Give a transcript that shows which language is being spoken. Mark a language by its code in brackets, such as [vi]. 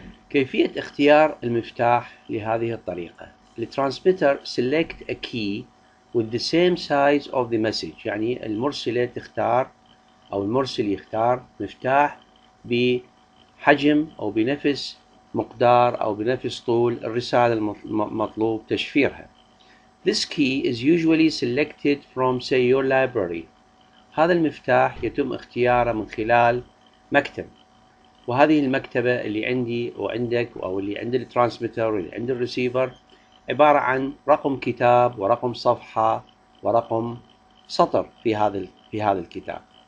[ar] كيفية اختيار المفتاح لهذه الطريقة؟ الـ [en] Transmitter select a key with the same size of the message، [ar] يعني المرسلة تختار أو المرسل يختار مفتاح بحجم أو بنفس مقدار أو بنفس طول الرسالة المطلوب تشفيرها. [en] This key is usually selected from, say, your library. [ar] هذا المفتاح يتم اختياره من خلال مكتب. وهذه المكتبة اللي عندي وعندك أو اللي عند الترانسميتر واللي عند الريسيفر عبارة عن رقم كتاب ورقم صفحة ورقم سطر في هذا الكتاب.